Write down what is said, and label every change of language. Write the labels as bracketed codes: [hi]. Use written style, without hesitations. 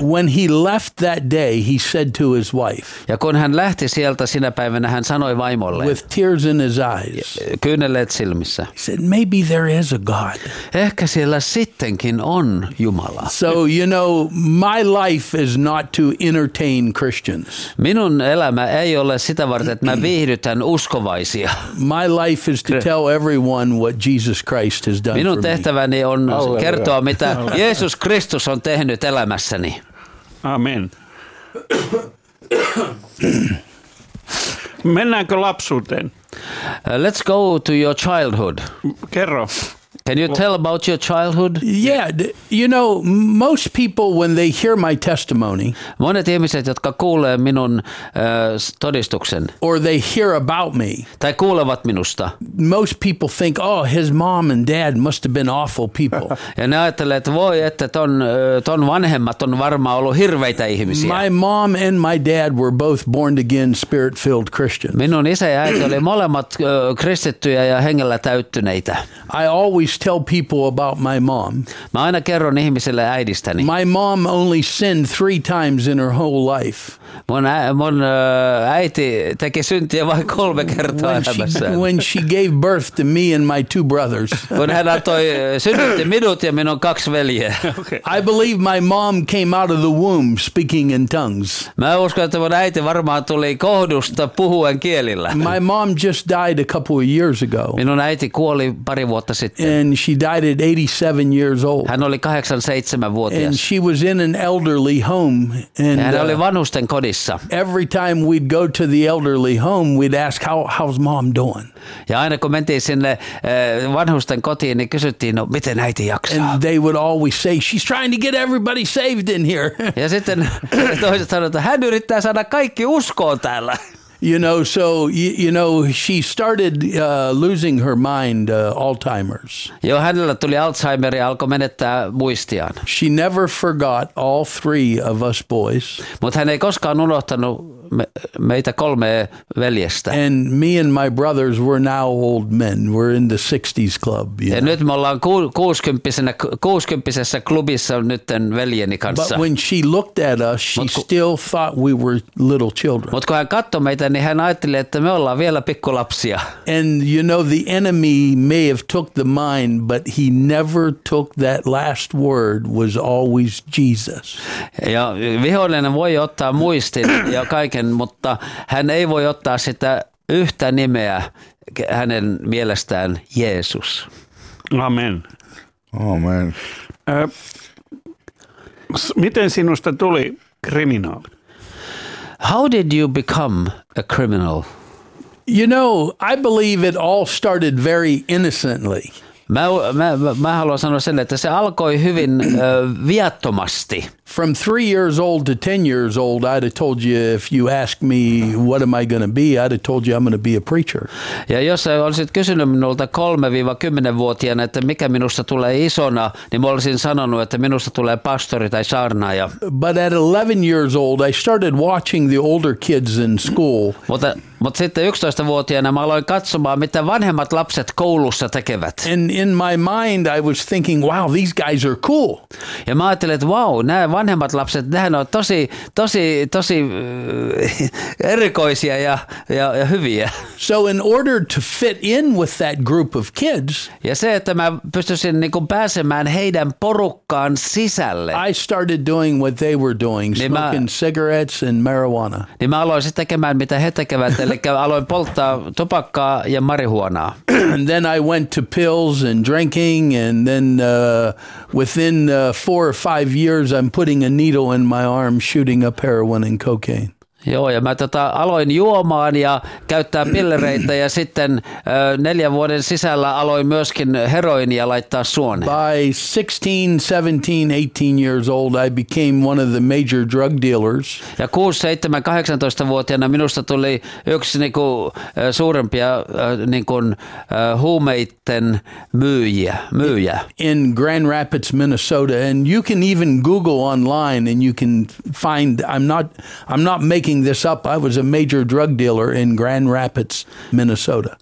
[en] When he left that day, he said to his wife. [fi] Ja kun hän lähti sieltä sinä päivänä, hän sanoi vaimolle. [en] With tears in his eyes. [fi] Kyyneleet silmissä. [en] He said, maybe there is a God. [fi] Ehkä siellä sittenkin on Jumala. [en] So, you know, my life is not to entertain Christians. [fi] Minun elämä ei ole sitä varten, että mä viihdytän uskovaisia. [en] My life is to tell everyone what Jesus Christ has done for me. [fi] Minun tehtäväni on kertoa, mitä Jeesus Kristus on tehnyt elämässäni. Amen. Mennäänkö lapsuuteen? [en] Let's go to your childhood. [fi] Kerro. [en] Can you tell about your childhood? Yeah, you know, most people, when they hear my testimony, [fi] monet ihmiset, jotka kuulee minun todistuksen, [en] or they hear about me, [fi] tai kuulevat minusta, [en] most people think, oh, his mom and dad must have been awful people. [fi] Ja ne ajattelee, että voi, että ton vanhemmat on varmaan ollut hirveitä ihmisiä. [en] My mom and my dad were both born again, spirit-filled Christians. [fi] Minun isä ja äiti oli molemmat kristittyjä ja hengellä täyttyneitä. [en] I always tell people about my mom. [fi] Mä aina kerron ihmisille äidistäni. [en] My mom only sinned 3 times in her whole life. [fi] Mun äiti teki syntiä vain 3 kertaa elämässään. [en] When she gave birth to me and my 2 brothers. [fi] Kun hän antoi synnytti minut ja minun 2 veljeä. [en] Okay. I believe my mom came out of the womb speaking in tongues. [fi] Mä uskon, että mun äiti varmaan tuli kohdusta puhuen kielillä. [en] My mom just died a couple of years ago. [fi] Minun äiti kuoli pari vuotta sitten. [en] And she died at 87 years old. [fi] Hän oli 87-vuotias. [en] And she was in an elderly home. And [fi] hän oli vanhusten kodissa. [en] Every time we'd go to the elderly home, we'd ask, how's mom doing? [fi] Ja aina kun mentiin sinne vanhusten kotiin, niin kysyttiin, no miten äiti jaksaa? [en] And they would always say, she's trying to get everybody saved in here. [fi] Ja sitten toiset sanoivat, hän yrittää saada kaikki uskoon täällä. [en] You know, so you know, she started losing her mind, Alzheimer's. [fi] Joo, hänellä tuli Alzheimer ja alkoi menettää muistiaan. [en] She never forgot all 3 of us boys. [fi] Mutta hän ei koskaan unohtanut meitä 3 veljestä. [en] And me and my brothers were now old men. We're in the 60s club. [fi] Ja nyt me ollaan 60-vuotisessa klubissa nytten veljeni kanssa. [en] But when she looked at us, she still thought we were little children. [fi] Mutta kun hän katsoi meitä, niin hän ajatteli, että me ollaan vielä pikkulapsia. [en] And you know, the enemy may have took the mind, but he never took that last word, was always Jesus. [fi] Ja vihollinen voi ottaa muistin ja kaiken, mutta hän ei voi ottaa sitä yhtä nimeä hänen mielestään, Jeesus. Amen. Amen. Miten sinusta tuli kriminaali? [en] How did you become a criminal? You know, I believe it all started very innocently. [fi] Mä haluan sanoa sen, että se alkoi hyvin viattomasti. [en] From 3 years old to 10 years old, I'd have told you, if you ask me, what am I going to be, I'd have told you I'm going to be a preacher. [fi] Ja jos sä olisit kysynyt minulta 3-10-vuotiaana, että mikä minusta tulee isona, niin mä olisin sanonut, että minusta tulee pastori tai saarnaaja. [en] But at 11 years old, I started watching the older kids in school. [fi] Mutta sitten 11-vuotiaana mä aloin katsomaan, mitä vanhemmat lapset koulussa tekevät. [en] And in my mind, I was thinking, wow, these guys are cool. [fi] Ja mä ajattelin, että wow, nämä vanhemmat lapset, nehän on tosi erikoisia ja hyviä. [en] So in order to fit in with that group of kids, [fi] ja se, että mä pystyisin niin kuin pääsemään heidän porukkaan sisälle, [en] I started doing what they were doing, smoking cigarettes and marijuana. [fi] Niin mä aloin sitten tekemään, mitä he tekevät, eli aloin polttaa tupakkaa ja marihuonaa. [en] And then I went to pills and drinking, and then within 4 or 5 years, I'm putting a needle in my arm, shooting up heroin and cocaine. [fi] Joo, ja mä aloin juomaan ja käyttää pillereitä, ja sitten 4 vuoden sisällä aloin myöskin heroinia laittaa suoneen. [en] By 16, 17, 18 years old, I became one of the major drug dealers. [fi] Ja 6, 7, 18-vuotiaana minusta tuli yksi niinku suurempia niinku huumeiden myyjä. [en] In Grand Rapids, Minnesota, and you can even Google online, and you can find, I'm not making this up, I was a major drug dealer in Grand Rapids, Minnesota.